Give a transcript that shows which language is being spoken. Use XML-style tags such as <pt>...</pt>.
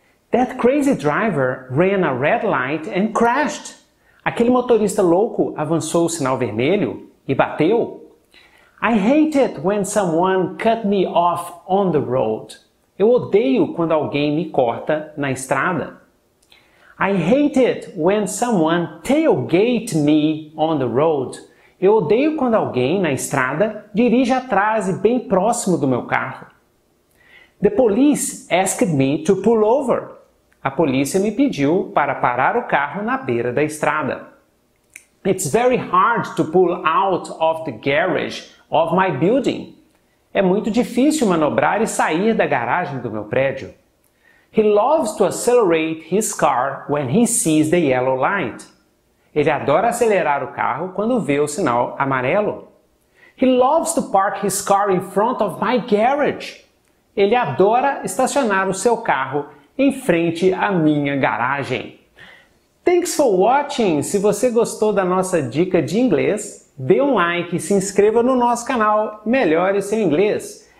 <en>That crazy driver ran a red light and crashed.</en> <pt>Aquele motorista louco avançou o sinal vermelho e bateu.</pt> <en>I hate it when someone cut me off on the road.</en> <pt>Eu odeio quando alguém me corta na estrada.</pt> <en>I hate it when someone tailgate me on the road.</en> <pt>Eu odeio quando alguém na estrada dirige atrás e bem próximo do meu carro.</pt> <en>The police asked me to pull over.</en> <pt>A polícia me pediu para parar o carro na beira da estrada.</pt> <en>It's very hard to pull out of the garage of my building.</en> <pt>É muito difícil manobrar e sair da garagem do meu prédio.</pt> <en>He loves to accelerate his car when he sees the yellow light.</en> <pt>Ele adora acelerar o carro quando vê o sinal amarelo.</pt> <en>He loves to park his car in front of my garage.</en> <pt>Ele adora estacionar o seu carro em frente à minha garagem.</pt> <en>Thanks for watching!</en> <pt>Se você gostou da nossa dica de inglês, dê um like e se inscreva no nosso canal Melhore Seu Inglês.</pt>